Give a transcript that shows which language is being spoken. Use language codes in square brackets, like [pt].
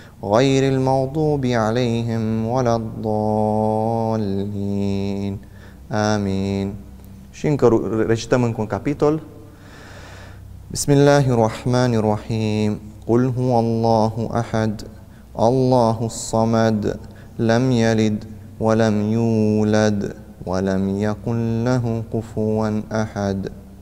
[ar] غير المغضوب عليهم ولا الضالين آمين. [ro] Și încă recităm încă un capitol. [ar] بسم الله الرحمن الرحيم. قل هو الله أحد، الله الصمد، لم يلد ولم يولد ولم يكن له كفوا أحد.